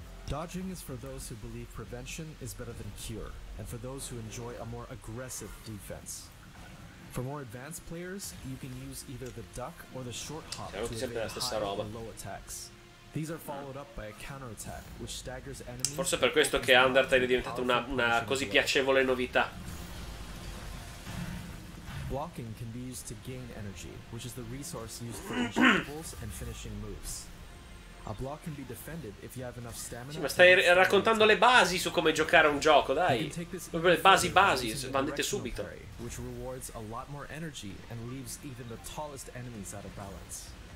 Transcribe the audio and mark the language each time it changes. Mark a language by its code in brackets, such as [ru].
[en] Dodging is for those who believe prevention is better than cure, and for those who enjoy a more aggressive defense. For more advanced players, you can use either the duck or the short hop to evade high or low attacks. These are followed up by a counterattack, which staggers enemies. [it] Forse per questo che Undertale è diventata una così piacevole novità. [en] Blocking can be used to gain energy, which is the resource used for injectables and finishing moves. A block can be defended if you have enough stamina. [it] Sì, ma stai raccontando le basi su come giocare a un gioco, dai. Proprio le basi, vanno dette subito. [en] Which rewards a lot more energy and leaves even the tallest enemies out of balance.